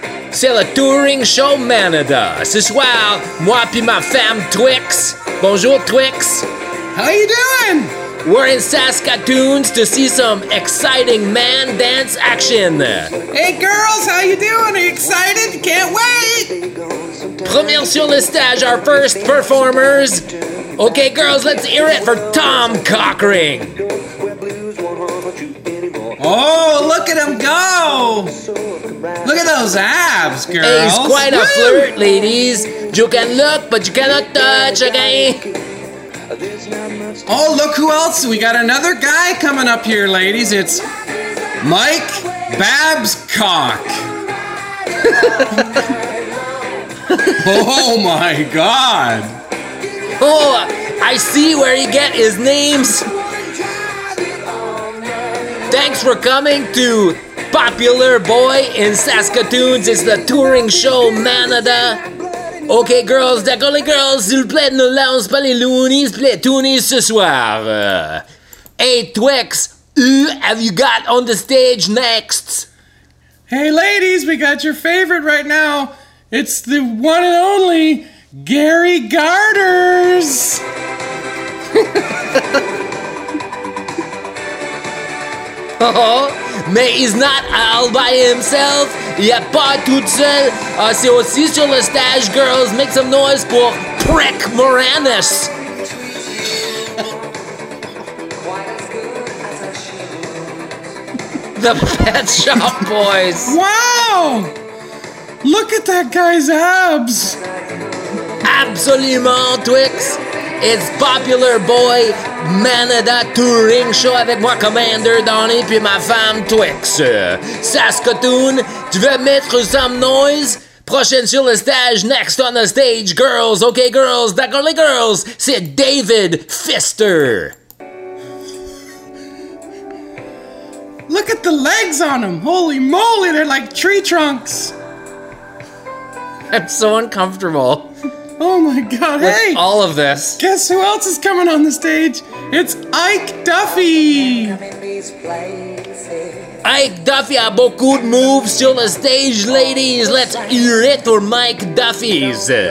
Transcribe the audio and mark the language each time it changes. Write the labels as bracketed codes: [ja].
[fr] C'est le touring show Manada. Ce soir, moi pis ma femme Twix. Bonjour, Twix. [en] How you doing? We're in Saskatoon to see some exciting man dance action. Hey, girls, how you doing? Are you excited? Can't wait. [fr] Premier sur le stage, [en] our first performers. Okay, girls, let's hear it for Tom Cockring. Oh, look at him go! Look at those abs, girls! Hey, he's quite a flirt, ladies! You can look, but you cannot touch, okay? Oh, look who else! We got another guy coming up here, ladies! It's Mike Babscock! Oh my god! Oh, I see where he get his names! Thanks for coming to Popular Boy in Saskatoon. It's the touring show, Manada. Okay, girls, deck only girls, [fr] s'il vous plaît, ne lance pas les loonies, [en] play toonies [fr] ce soir. [en] Hey, Twix, who have you got on the stage next? Hey, ladies, we got your favorite right now. It's the one and only Gary Garters. Oh, mais he's not all by himself. [fr] Il a pas tout seul. C'est aussi sur le stage, girls. [en] Make some noise pour Prick Moranis. The Pet Shop Boys. Wow! Look at that guy's abs. [fr] Absolument, Twix. [en] It's Popular Boy Manada Touring Show [fr] avec moi, [en] Commander Donnie, [fr] puis ma femme Twix. Saskatoon, tu veux mettre [en] some noise? [fr] Prochaine sur le stage, [en] next on the stage, girls, okay, girls, [fr] d'accord les girls, c'est David Pfister. [en] Look at the legs on him, holy moly, they're like tree trunks. I'm so uncomfortable. Oh my god, with hey! All of this. Guess who else is coming on the stage? It's Ike Duffy! [fr] Ike Duffy a beaucoup de moves sur le stage, ladies! [en] Let's hear it for Mike Duffy's!